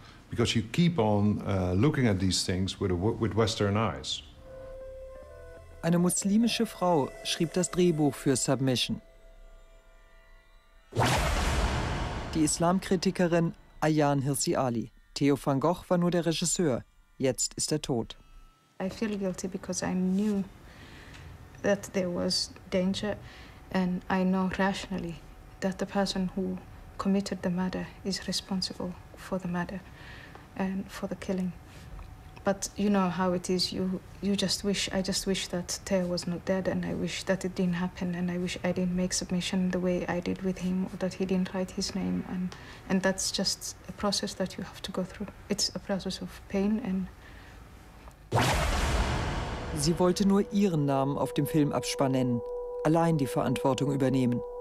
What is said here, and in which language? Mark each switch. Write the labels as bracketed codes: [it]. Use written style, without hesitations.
[en] Because you keep on looking at these things with Western eyes. [de] Eine muslimische Frau schrieb das Drehbuch für Submission. Die Islamkritikerin Ayaan Hirsi Ali. Theo van Gogh war nur der Regisseur. Jetzt ist er tot. [en] I feel guilty because I knew that there was danger, and I know rationally that the person who committed the murder is responsible for the murder and for the killing. But you know how it is, I just wish that Theo was not dead, and I wish that it didn't happen, and I wish I didn't make Submission the way I did with him, or that he didn't write his name, and that's just a process that you have to go through. It's a process of pain and... [de] Sie wollte nur ihren Namen auf dem Filmabspann nennen, allein die Verantwortung übernehmen.